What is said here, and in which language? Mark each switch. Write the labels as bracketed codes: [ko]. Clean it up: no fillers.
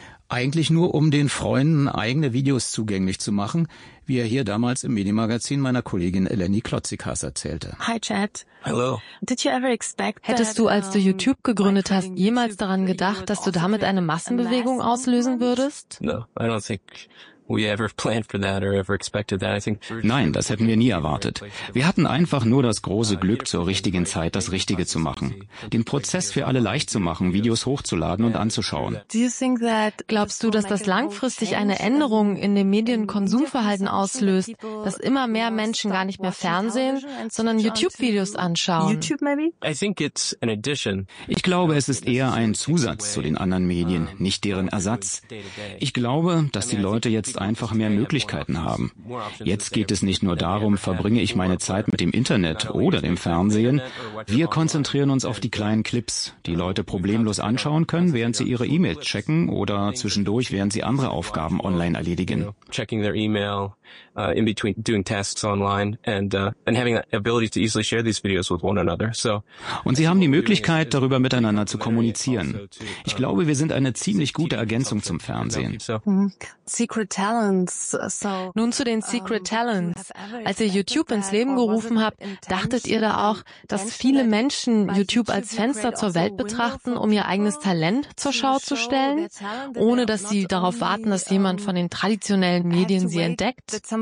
[de] Eigentlich nur, um den Freunden eigene Videos zugänglich zu machen, wie er hier damals im Medienmagazin meiner Kollegin Eleni Klotzikas erzählte. [en] Hi Chad. Hello. Did you ever expect [de] Hättest du, als du YouTube gegründet hast, jemals daran gedacht, dass du damit eine Massenbewegung auslösen würdest? [en] No, I don't think we ever planned for that or ever expected that. I think [de] Nein, das hätten wir nie erwartet. Wir hatten einfach nur das große Glück, zur richtigen Zeit das Richtige zu machen. Den Prozess für alle leicht zu machen, Videos hochzuladen und anzuschauen. Glaubst du, dass das langfristig eine Änderung in dem Medienkonsumverhalten auslöst, dass immer mehr Menschen gar nicht mehr Fernsehen, sondern YouTube-Videos anschauen? Ich glaube, es ist eher ein Zusatz zu den anderen Medien, nicht deren Ersatz. Ich glaube, dass die Leute jetzt einfach mehr Möglichkeiten haben. Jetzt geht es nicht nur darum, verbringe ich meine Zeit mit dem Internet oder dem Fernsehen. Wir konzentrieren uns auf die kleinen Clips, die Leute problemlos anschauen können, während sie ihre E-Mails checken oder zwischendurch, während sie andere Aufgaben online erledigen. [en] Checking their email, in between doing tasks online and having the ability to easily share these videos with one another. [de] Und sie haben die Möglichkeit, darüber miteinander zu kommunizieren. Ich glaube, wir sind eine ziemlich gute Ergänzung zum Fernsehen. Nun zu den Secret Talents. Als ihr YouTube ins Leben gerufen habt, dachtet ihr da auch, dass viele Menschen YouTube als Fenster zur Welt betrachten, um ihr eigenes Talent zur Schau zu stellen, ohne dass sie darauf warten, dass jemand von den traditionellen Medien sie entdeckt?